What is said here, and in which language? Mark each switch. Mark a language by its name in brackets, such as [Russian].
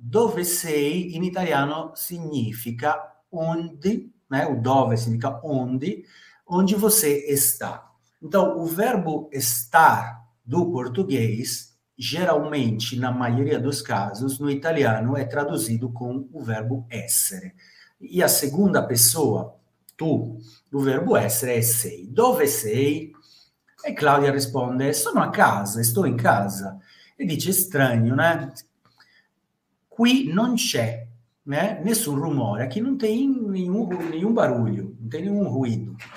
[Italian] Dove sei in italiano significa [Portuguese] onde, né? O dove significa onde, onde você está. Então, o verbo estar do português, geralmente, na maioria dos casos, no italiano é traduzido com o verbo essere. E a segunda pessoa, tu, do verbo essere é sei. [Italian] Dove sei? E Claudia risponde, sono a casa, sto in casa. E dice, [Portuguese] estranho, né? [Italian] Qui non c'è, né? Nessun rumore, qui non c'è nessun barulho, non c'è nessun ruido.